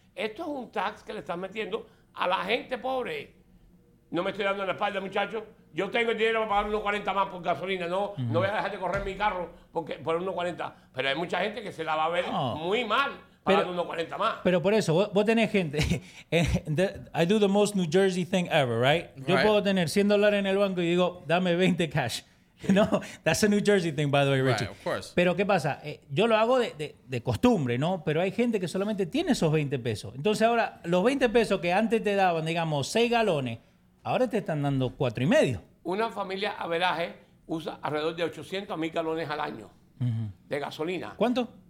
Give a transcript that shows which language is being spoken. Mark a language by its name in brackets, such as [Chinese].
[Spanish] Esto es un tax que le están metiendo a la gente pobre. No me estoy dando en la espalda, muchachos. Yo tengo el dinero para pagar $1.40 más por gasolina. No, no voy a dejar de correr mi carro por $1.40. Pero hay mucha gente que se la va a ver muy mal pagando $1.40 más. Pero por eso, vos tenés gente. [English] I do the most New Jersey thing ever, right? [Spanish] Yo puedo tener $100 en el banco y digo, dame 20 cash. [English] No, that's a New Jersey thing, by the way, Richie. Right, of course. [Spanish] Pero ¿qué pasa? Yo lo hago de costumbre, ¿no? Pero hay gente que solamente tiene esos 20 pesos. Entonces ahora, los 20 pesos que antes te daban, digamos, 6 galones, ahora te están dando 4 y medio. Una familia averaje usa alrededor de 800 a 1000 galones al año de gasolina. ¿Cuánto?